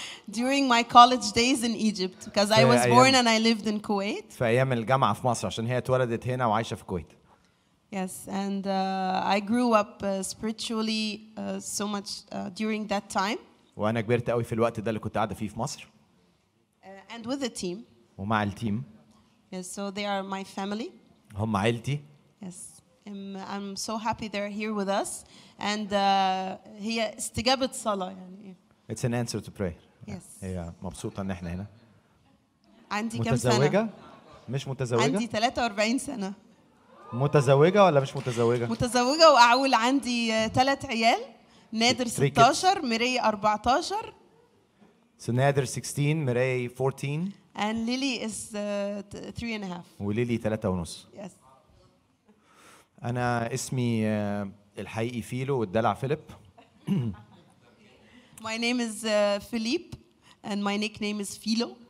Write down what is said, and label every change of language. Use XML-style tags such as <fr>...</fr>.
<en>During my college days in Egypt, because I was born and I lived in Kuwait.</en> <ar>في أيام الجامعة في مصر عشان هي تولدت هنا وعايشة في الكويت.</ar> <en>Yes, and I grew up spiritually so much during that time.</en> <ar>وأنا كبرت قوي في الوقت ده اللي كنت قاعدة فيه في مصر.</ar> <en>And with the team.</en> <ar>ومع التيم.</ar> <en>Yes, so they are my family.</en> <ar>هم عيلتي.</ar> <en>Yes, I'm so happy they're here with us, and</en> <ar>هي استجابة صلاة يعني.</ar> <en>It's an answer to prayer. Yes.</en> <ar>هي مبسوطة إن إحنا هنا. عندي كم سنة؟ متزوجة؟ مش متزوجة؟ عندي 43 سنة. متزوجة ولا مش متزوجة؟ متزوجة وأعول عندي 3 عيال. نادر 16، مري 14.</ar> <en>So Nader 16, Mirai 14. And Lily is 3.5.</en> <ar>وليلي 3.5.</ar> <en>Yes.</en> <ar>أنا اسمي الحقيقي فيلو والدلع فيليب.</ar> <en>My name is Philippe and my nickname is Philo.</en>